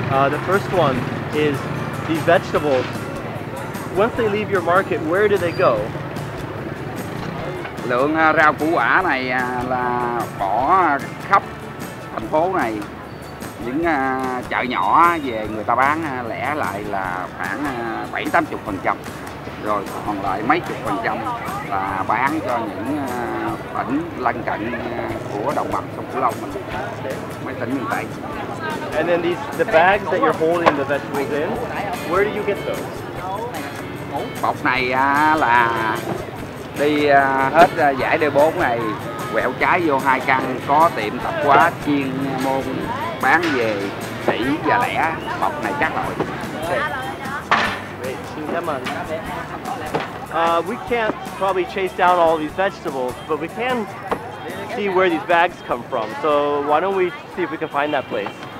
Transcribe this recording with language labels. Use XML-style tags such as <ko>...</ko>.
<en>The first one is the vegetables. Once they leave your market, where do they go?</en> <vi>Lượng rau củ quả này là bỏ khắp thành phố này. Những chợ nhỏ về người ta bán lẻ lại là khoảng 70-80%. Rồi còn lại mấy chục phần trăm là bán cho những tỉnh lân cận của đồng bằng sông Cửu Long mình, mấy tỉnh miền Tây.</vi> <en>And then the bags that you're holding the vegetables in, where do you get those?</en> <vi>Bọc này là đi hết giải D4 này, quẹo trái vô hai căn có tiệm tạp hóa chuyên môn bán về sỉ và lẻ, bọc này chắc rồi.</vi> <en>We can't probably chase down all these vegetables, but we can see where these bags come from. So why don't we see if we can find that place?</en>